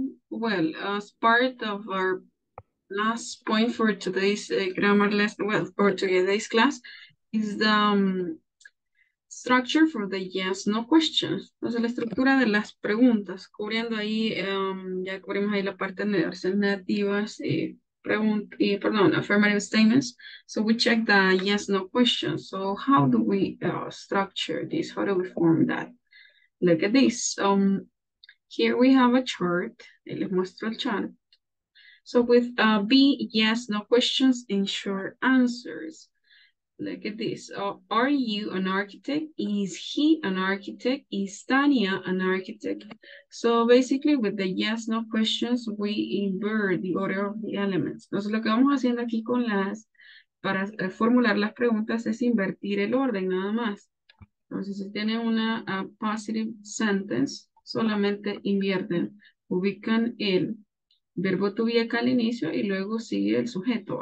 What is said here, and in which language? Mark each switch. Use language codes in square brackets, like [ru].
[en] Well, as part of our last point for today's grammar lesson, well, for today's class, is the structure for the yes, no questions. [es] Entonces, la estructura de las preguntas, cubriendo ahí, ya cubrimos ahí la parte de las negativas y [en] affirmative statements. So we check the yes, no questions. So how do we structure this? How do we form that? Look at this. Here we have a chart. [es] Les muestro el chart. [en] So with B, yes, no questions, and short answers. Look at this. Are you an architect? Is he an architect? Is Tania an architect? So basically with the yes, no questions, we invert the order of the elements. [es] Entonces lo que vamos haciendo aquí con las, para formular las preguntas, es invertir el orden nada más. Entonces si tiene una [en] positive sentence, [es] solamente invierten. Ubican el verbo to be acá al inicio y luego sigue el sujeto.